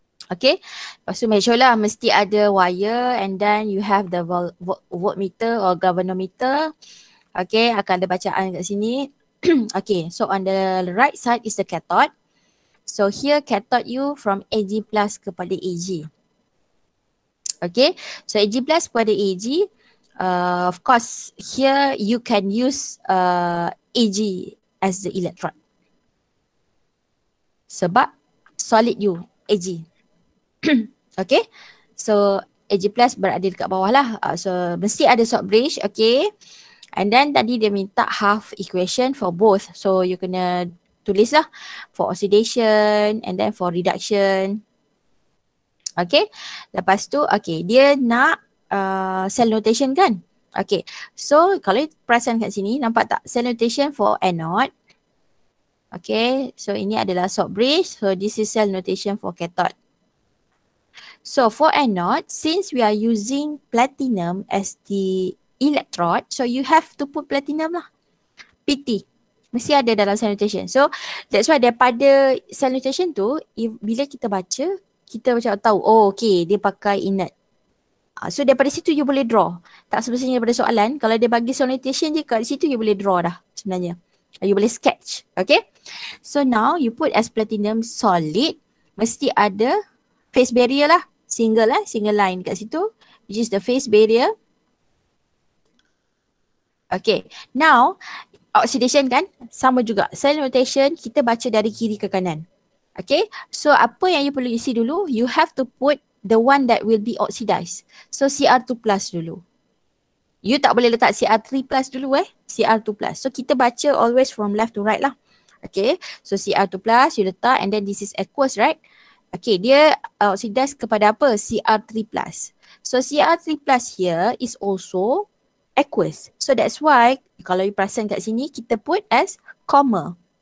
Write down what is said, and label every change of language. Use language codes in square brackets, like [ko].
[en] Okay, [ms] lepas tu [en] make sure [ms] lah mesti ada [en] wire and then you have the voltmeter or galvanometer. Okay, [ms] akan ada bacaan kat sini. [en] Okay, so on the right side is the cathode. So here cathode you from Ag plus kepada Ag. Okay, so Ag plus kepada Ag. Of course, here you can use Ag as the electrode. [ms] Sebab solid you, Ag. Okay, so Ag plus berada dekat bawah lah. [en] So [ms] mesti ada [en] salt bridge, okay. And then [ms] tadi dia minta [en] half equation for both. So you [ms] kena tulis lah [en] for oxidation and then for reduction. [ms] Okay, lepas tu okay dia nak cell notation kan. Okay, so kalau perasan kat sini nampak tak [en] cell notation for anode. [ms] Okay, so ini adalah salt bridge. [en] So this is cell notation for cathode. So for anode, since we are using platinum as the electrode, so you have to put platinum lah. [ms] PT mesti ada dalam salutation. [en] So that's why [ms] daripada salutation tu, bila kita baca, kita macam tahu, [en] oh okay, [ms] dia pakai inert. So daripada situ you boleh draw. Tak sebenarnya daripada soalan, kalau dia bagi salutation je, kat situ you boleh draw dah sebenarnya. You boleh sketch. [en] Okay, so now you put as platinum solid, [ms] mesti ada [en] phase barrier lah. Single lah, single line [ms] kat situ, [en] which is the phase barrier. [ms] Okay, now oxidation kan sama juga. [en] Cell notation [ms] kita baca dari kiri ke kanan. [en] Okay, so [ms] apa yang [en] you [ms] perlu isi dulu, [en] you have to put the one that will be oxidized. So Cr2 plus dulu. [ms] You tak boleh letak Cr3 plus dulu eh. [en] Cr2 plus. So [ms] kita baca [en] always from left to right lah. Okay, so Cr2 plus you letak and then this is aqueous, right? [ms] Okay, dia oxidize kepada apa? Cr3 plus. [en] So Cr3 plus here is also aqueous. So that's why kalau you [ms] perasan kat sini, [en] kita put as comma.